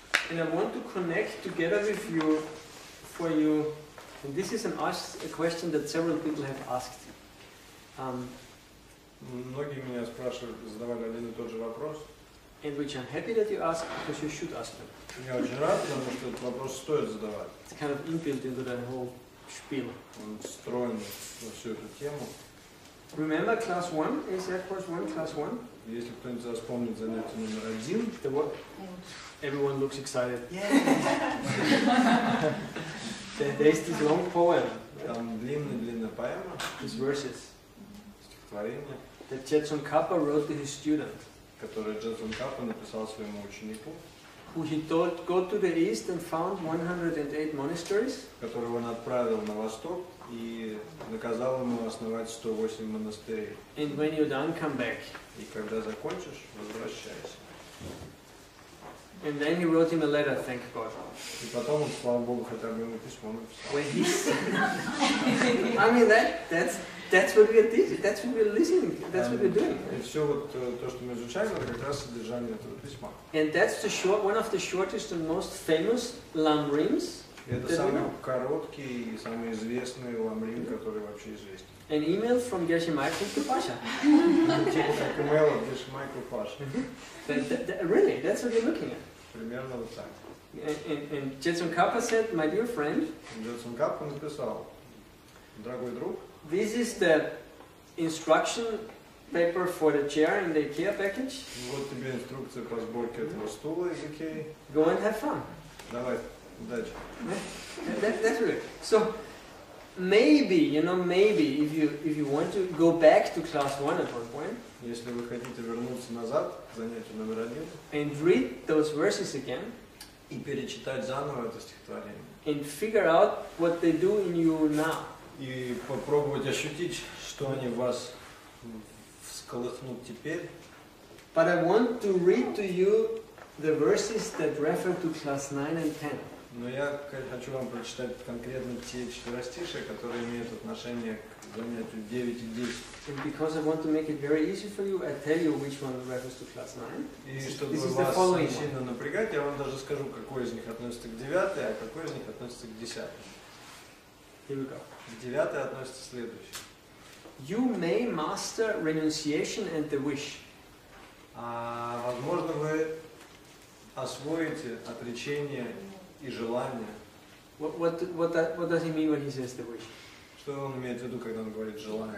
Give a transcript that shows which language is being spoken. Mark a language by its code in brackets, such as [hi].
[en] And I want to connect together with you, for you, and this is a question that several people have asked. [ru] Многие меня спрашивали, задавали один и тот же вопрос. [en] And which I'm happy that you ask, because you should ask them. [ru] Я очень рад, потому что этот вопрос стоит задавать. [en] It's kind of inbuilt into the whole spiel. [ru] Он встроен во всю эту тему. [en] Remember class 1? Is that course 1, class 1? [ru] Если кто-нибудь вспомнит занятие номер 1, то вот... [en] Everyone looks excited. Yeah. There's this long poem. [ru] Там длинная поэма. [en] These verses. [ru] Стихотворение. [en] That Джетсон Каппа wrote to his student. [ru] Которое Джетсон Каппа написал своему ученику. [en] Who he told go to the east and found 108 monasteries. [ru] Которого он отправил на восток и наказал ему основать 108 монастырей. [en] And when you're done, come back. [ru] И когда закончишь, возвращайся. [en] And then he wrote him a letter, thank God. [ru] И потом он, слава Богу, хотя бы ему письмо написал. [en] I mean that's what we're teaching, that's what we're listening, that's what we're doing. [ru] И все вот то, что мы изучаем, это как раз содержание этого письма. [en] And that's the short, one of the shortest and most famous ламримс. [ru] Это самый короткий и самый известный ламрим, который вообще известен. [en] An email from Geshe Michael to Pasha. Email from Geshe Michael to Pasha. Really, that's what you're looking at. [ru] Примерно вот так. [en] And Jetson Kappa said, my dear friend. [ru] Jetson Kappa написал, дорогой друг. [en] This is the instruction paper for the chair in the IKEA package. [ru] Вот тебе инструкция по сборке этого стула из IKEA. [en] Go and have fun. [ru] Давай, удачи. [en] That's really good. So. Maybe, you know, maybe if you want to go back to class 1 at one point. [ru] Если вы хотите вернуться назад к занятию номер 1. [en] And read those verses again. [ru] И перечитать заново это стихотворение. [en] And figure out what they do in you now. [ru] И попробовать ощутить, что они вас всколыхнут теперь. [en] But I want to read to you the verses that refer to class 9 and 10. [ru] Но я хочу вам прочитать конкретно те четверостишия, которые имеют отношение к занятию 9 и 10. [en] And because I want to make it very easy for you, I tell you which one refers to class 9. [ru] И чтобы вас не сильно напрягать, я вам даже скажу, какой из них относится к 9, а какой из них относится к 10. [en] Here we go. [ru] К 9 относится следующее. [en] You may master renunciation and the wish. [ru] А, возможно, вы освоите отречение... И желание. [en] What does he mean when he says the wish? [ru] Что он имеет в виду, когда он говорит желание?